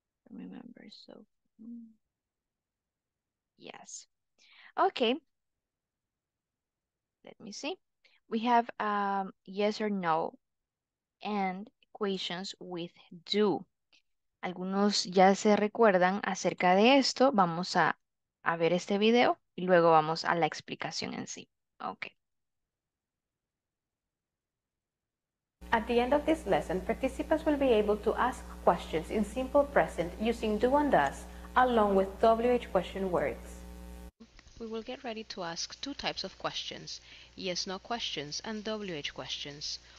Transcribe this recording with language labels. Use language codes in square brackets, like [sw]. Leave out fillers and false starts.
[en] Remember, so yes. Okay. Let me see. We have yes or no, and questions with do. [es] Algunos ya se recuerdan acerca de esto. Vamos a ver este video y luego vamos a la explicación en sí. [en] Okay. At the end of this lesson, participants will be able to ask questions in simple present using do and does, along with WH question words. We will get ready to ask two types of questions, yes-no questions and WH questions.